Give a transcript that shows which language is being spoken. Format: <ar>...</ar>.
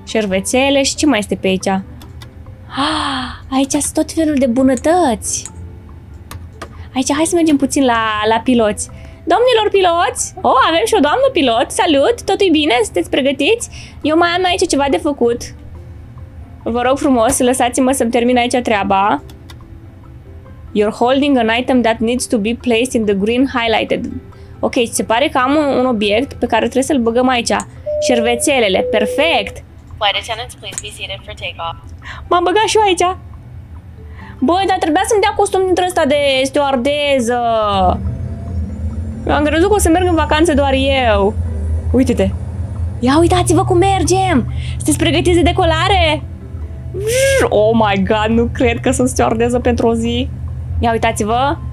<ro>Șervețele și ce mai este pe aici? Ah, aici sunt tot felul de bunătăți. Aici, hai să mergem puțin la piloți. Domnilor piloți! Oh, avem și o doamnă pilot. Salut! Totul e bine? Sunteți pregătiți? Eu mai am aici ceva de făcut. Vă rog frumos, lăsați-mă să-mi termin aici treaba.</ro> <en>You're holding an item that needs to be placed in the green highlighted.</en> <ro>Ok, se pare că am un obiect pe care trebuie să-l băgăm aici. Șervețelele, perfect.</ro> <en>Flight attendants, please be seated for takeoff.</en> <ro>M-am băgat și eu aici. Băi, dar trebuia să-mi dea costum dintre ăsta de stewardeză. Am crezut că o să merg în vacanță doar eu. Uite-te. Ia uitați-vă cum mergem. Sunteți pregătiți de decolare?</ro> <en>Oh my god,</en> <ro>nu cred că sunt stewardeză pentru o zi. Ia uitați-vă.</ro>